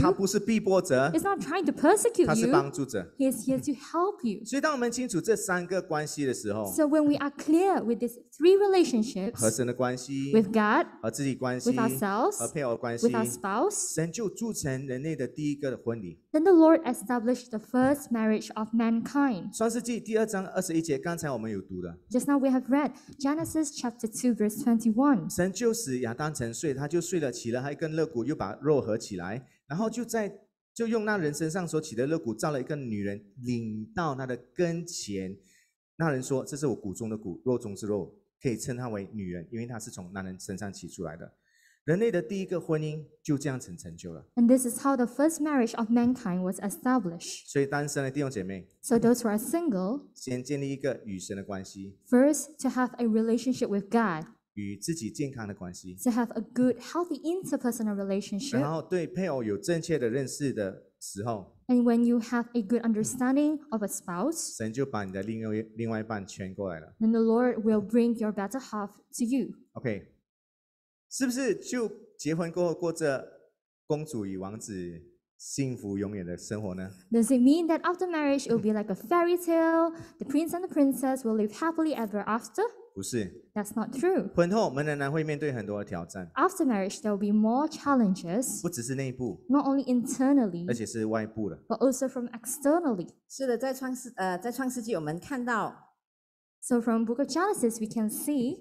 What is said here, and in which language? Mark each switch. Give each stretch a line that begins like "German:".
Chinese: 他不是逼迫者。
English: He's not trying to persecute you.
Chinese: 他是帮助者。
English: He is here to help you.
Chinese: 所以当我们清楚这三个关系的时候
English: ，So when we are clear with these three relationships,
Chinese: 和神的关系
English: ，with God,
Chinese: 和自己关系
English: ，with ourselves,
Chinese: 和配偶关系
English: ，with our spouse,
Chinese: 神就铸成人类的第一个的婚礼。
English: Then the Lord established the first marriage of mankind.
Chinese: 创世纪第二章二十一节，刚才我们有读的。
English: Just now we have read Genesis chapter 2 verse 21.
Chinese: 神就使亚当沉睡，他就睡了，起了，还跟肋骨又把肉合起来，然后就用那人身上所起的肋骨造了一个女人，领到他的跟前。那人说：“这是我骨中的骨，肉中之肉，可以称她为女人，因为她是从男人身上起出来的。” 人类的第一个婚姻就这样成就了。
English: And this is how the first marriage of mankind was established.
Chinese: 所以单身的弟兄姐妹
English: ，So those who are single，
Chinese: 先建立一个与神的关系。
English: First to have a relationship with God，
Chinese: 与自己健康的关系。
English: To have a good, healthy interpersonal relationship。
Chinese: 然后对配偶有正确的认识的时候
English: And when you have a good understanding of a spouse,
Chinese: 神就把你的另外一半圈过来了。
English: Then the Lord will bring your better half to you. Okay.
Chinese: 是不是就结婚过后过着公主与王子幸福永远的生活呢？
English: Does it mean that after marriage it will be like a fairy tale? The prince and the princess will live happily ever after?
Chinese: 不是。
English: That's not true.
Chinese: 婚后我们仍然会面对很多的挑战。
English: After marriage there will be more challenges.
Chinese: 不只是内部。
English: Not only internally.
Chinese: 而且是外部的。
English: But also from externally.
Chinese: 是的，在创世纪我们看到。
English: So from Book of Genesis we can see.